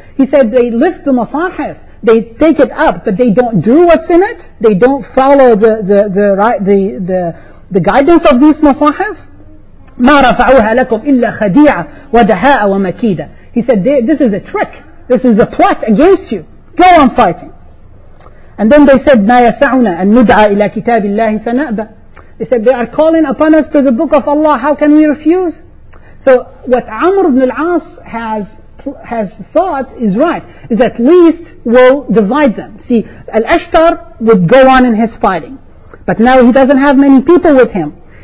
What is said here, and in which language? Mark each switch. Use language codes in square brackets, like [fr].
[en] He said, they lift the masahif. They take it up, but they don't do what's in it. They don't follow the guidance of these masahif. [ar] مَا رَفَعُوهَا لَكُمْ إِلَّا خَدِيعَ وَدَهَاءَ وَمَكِيدَ. [en] He said, this is a trick. This is a plot against you. Go on fighting. And then they said, [ar] مَا يَسَعُنَا أَن نُدْعَى إِلَى كِتَابِ اللَّهِ فَنَأْبَى. [en] They said, they are calling upon us to the book of Allah. How can we refuse? So what Amr ibn al-As has thought is right, is at least we'll divide them. See, Al-Ashtar would go on in his fighting. But now he doesn't have many people with him.